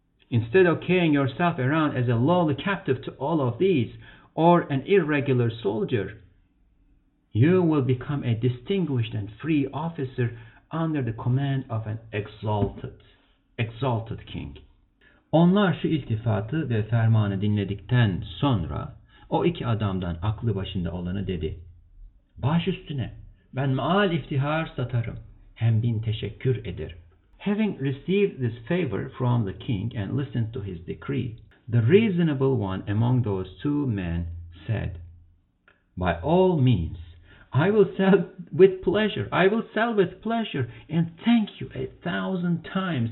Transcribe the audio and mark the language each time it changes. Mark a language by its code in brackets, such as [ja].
[en] Instead of carrying yourself around as a lowly captive to all of these, or an irregular soldier, you will become a distinguished and free officer under the command of an exalted king. [tr] Onlar şu iltifatı ve fermanı dinledikten sonra o iki adamdan aklı başında olanı dedi. Baş üstüne ben maal iftihar satarım hem bin teşekkür ederim. [en] Having received this favor from the king and listened to his decree, the reasonable one among those two men said, by all means, I will sell with pleasure and thank you 1,000 times.